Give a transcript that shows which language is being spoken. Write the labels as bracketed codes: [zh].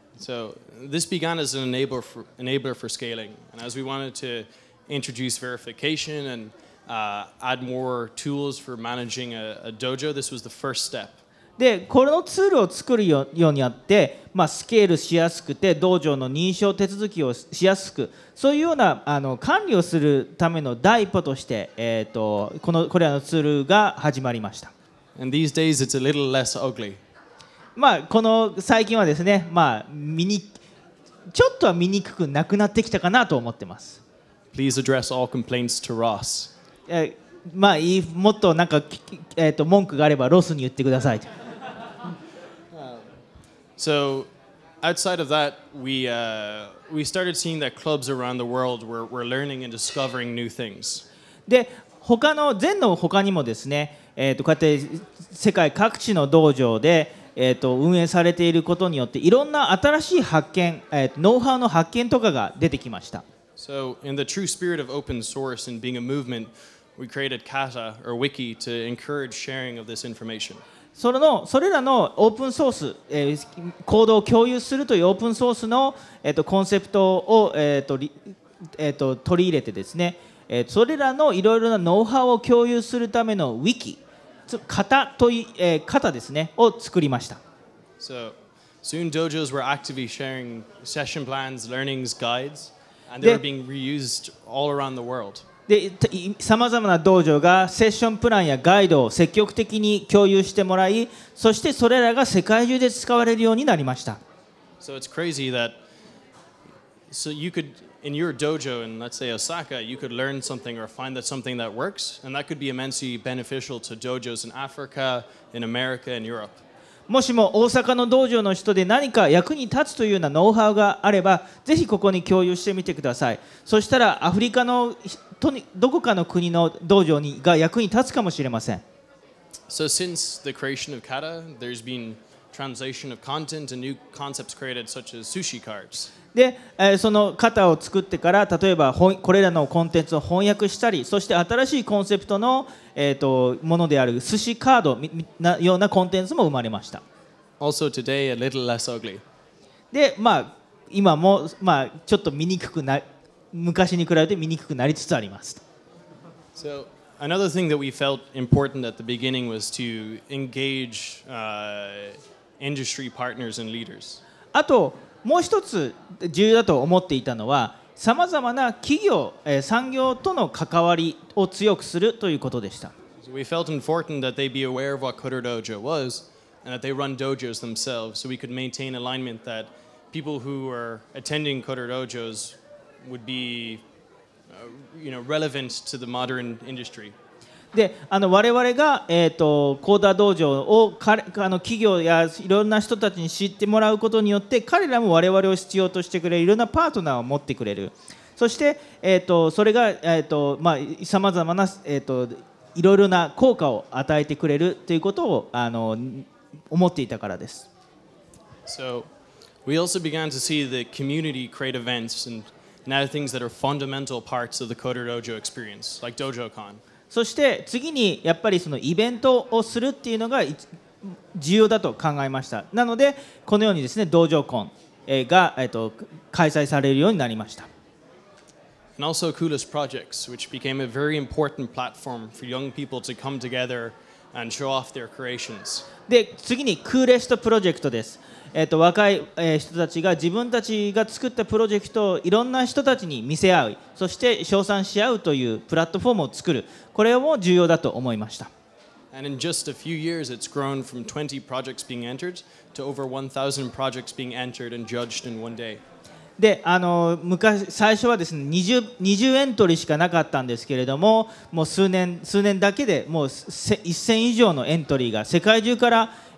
[en] So this began as an enabler for scaling, and as we wanted to introduce verification andAdd more tools for managing a dojo. This was the first step. [ja] で、このツールを作るようにあって、まあ、スケールしやすくて、道場の認証手続きをしやすく、そういうような管理をするための第一歩として、これらのツールが始まりました。 [en] And these days it's a little less ugly. [ja] まあ、この最近はですね、まあ、ちょっとは見にくくなくなってきたかなと思ってます。 [en] Please address all complaints to Ross. [ja] まあ、もっとなんか、文句があればロスに言ってくださいと。 [en] So, outside of that, we started seeing that clubs around the world were learning and discovering new things. [ja] で、全の他にもですね、こうやって世界各地の道場で、運営されていることによって、いろんな新しい発見、ノウハウの発見とかが出てきました。 [en] So, in the true spirit of open source and being a movement, we created Kata or Wiki to encourage sharing of this information. [ja] それらのオープンソース、コードを共有するというオープンソースの、コンセプトを、取り入れてですね、それらのいろいろなノウハウを共有するための Wiki、Kata ですね、を作りました。 [en] So, soon dojos were actively sharing session plans, learnings, guides. And they were being reused all around the world. [ja] で、さまざまな道場がセッションプランやガイドを積極的に共有してもらい、そしてそれらが世界中で使われるようになりました。 [en] So it's crazy that so you could in your dojo in let's say Osaka, you could learn something or find that something that works, and that could be immensely beneficial to dojos in Africa, in America, and Europe. [ja] もしも大阪の道場の人で何か役に立つというようなノウハウがあれば、ぜひここに共有してみてください。そしたらアフリカのどこかの国の道場にが役に立つかもしれません。 [en] So since the creation of Kata, there's been translation of content and new concepts created such as sushi cards. [ja] で、その Kata を作ってから、例えばこれらのコンテンツを翻訳したり、そして新しいコンセプトのものである寿司カードのようなコンテンツも生まれました。 [en] Also today, a little less ugly. [ja] で、まあ、今も、まあ、ちょっと見にくくな昔に比べて見にくくなりつつあります。 [en] So, another thing that we felt important at the beginning was to engage industry partners and leaders. [ja] あと、もう一つ重要だと思っていたのは、さまざまな企業、産業との関わりを強くするということでした。 [en] So、we felt important that they be aware of what CoderDojo was and that they run dojos themselves so we could maintain alignment that people who were attending CoderDojos would be you know, relevant to the modern industry. [ja] で、我々が、CoderDojo を企業やいろんな人たちに知ってもらうことによって彼らも我々を必要としてくれるいろんなパートナーを持ってくれる。そして、それが、まあ、さまざまな、いろいろな効果を与えてくれるということを思っていたからです。 [en] So, we also began to see the community create events and now things that are fundamental parts of the CoderDojo experience, like DojoCon. [ja] そして次にやっぱりそのイベントをするっていうのが重要だと考えました。なので、このようにですね、DojoCon が、開催されるようになりました。 [en] And also Coolest Projects, which became a very important platform for young people to come together and show off their creations. [ja] で、次に Coolest Project です。若い人たちが自分たちが作ったプロジェクトをいろんな人たちに見せ合う、そして称賛し合うというプラットフォームを作る。これも重要だと思いました。 [en] And in just a few years, it's grown from 20 projects being entered to over 1,000 projects being entered and judged in one day. [ja] で最初はですね 20エントリーしかなかったんですけれども、もう数年だけでもう1000以上のエントリーが世界中から、